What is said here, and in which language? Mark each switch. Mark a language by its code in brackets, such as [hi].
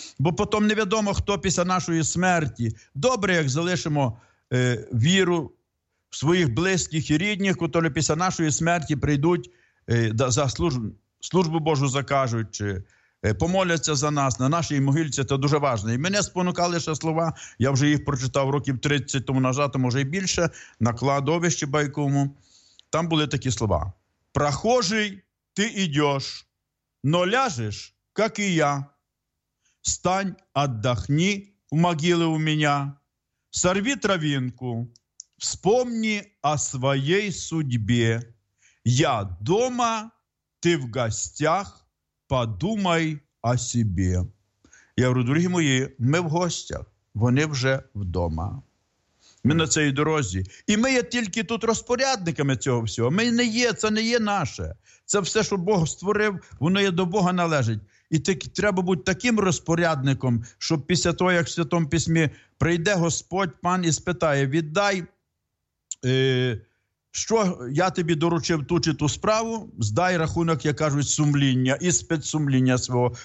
[uk] Бо потім невідомо, хто після нашої смерті. Добре, як залишимо віру в своїх близьких і рідних, котрі після нашої смерті прийдуть за службу Божу закажуть, чи помоляться за нас на нашій могильці, це дуже важливо. І мене спонукали ще слова, я вже їх прочитав років 30 тому назад, може і більше, на кладовищі Байковому. Там були такі слова: «Прохожий, ти йдеш, но ляжеш, як і я. [ru] встань, отдохни в могиле у меня, сорви травинку, вспомни о своей судьбе. Я дома, ты в гостях, подумай о себе. [uk] Я говорю, дорогі мої, ми в гостях, вони вже вдома. Ми на цій дорозі. І ми є тільки тут розпорядниками цього всього. Ми не є, це не є наше. Це все, що Бог створив, воно є до Бога належить. І так, треба бути таким розпорядником, щоб після того, як в Святому Письмі прийде Господь, Пан, і спитає, віддай, що я тобі доручив ту чи ту справу, здай рахунок, як кажуть, сумління і спецсумління свого.